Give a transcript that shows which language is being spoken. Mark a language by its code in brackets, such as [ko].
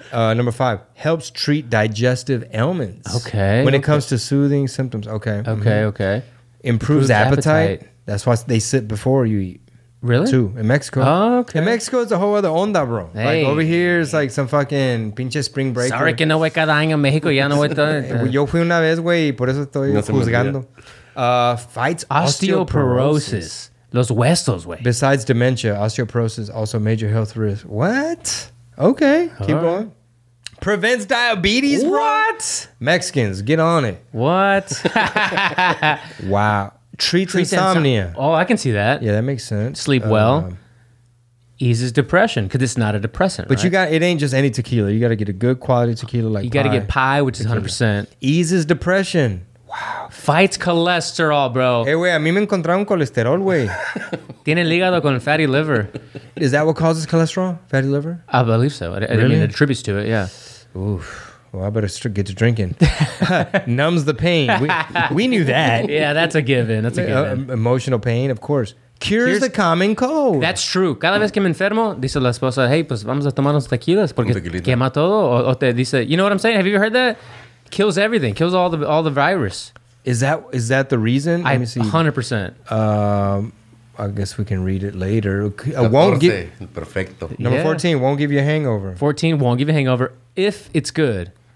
[en] Number five, helps treat digestive ailments. Okay. When it comes to soothing symptoms. Okay. Okay, mm-hmm. Okay. Improves appetite. That's why they sit before you eat. Really? Too, in Mexico. Oh, okay. In Mexico, it's a whole other onda, bro. Hey. Like, over here, it's like some fucking pinche spring break. [es] Sorry que no voy cada año a México, ya no voy. Yo fui una vez, güey, y por eso estoy juzgando. [en] Fights osteoporosis. [es] Los huesos, güey. [en] Besides dementia, osteoporosis also major health risk. What? Okay, keep going. Prevents diabetes, bro. What? Mexicans, get on it. What? Wow. Treats insomnia. Oh, I can see that. Yeah, that makes sense. Sleep well. Eases depression because it's not a depressant. But right? It ain't just any tequila. You got to get a good quality tequila like you got to get Pi, which is 100%. Eases depression. Fights cholesterol, bro. [es] Hey, güey, a mí me encontraron colesterol, güey. Tiene el hígado con [en] fatty liver. Is that what causes cholesterol? Fatty liver? I believe so. Really? I mean, it attributes to it, yeah. Oof. Well, I better get to drinking. Numbs the pain. We knew that. Yeah, that's a given. That's a given. Emotional pain, of course. Cures the common cold. That's true. [es] Cada vez que me enfermo, dice la esposa, hey, pues vamos a tomarnos tequilas porque quema todo. O te dice, [en] you know what I'm saying? Have you heard that? Kills everything. Kills all the virus. Is that the reason? Let me see. 100%. I guess we can read it later. It won't give. [es] Perfecto. [en] Number 14 won't give you a hangover. 14 won't give you a hangover if it's good.